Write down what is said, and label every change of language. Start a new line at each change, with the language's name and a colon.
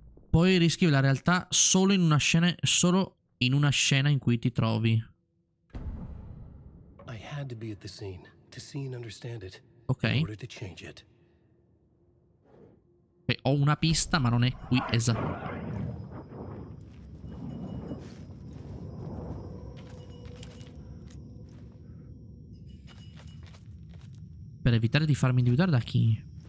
Italian: Puoi riscrivere la realtà solo in una scena, solo in una scena in cui ti trovi.
English: I had to be at the scene to see and understand it. Okay. In order to change it.
Italian: Beh, ho una pista, ma non è qui esatto. Per evitare di farmi individuare da chi?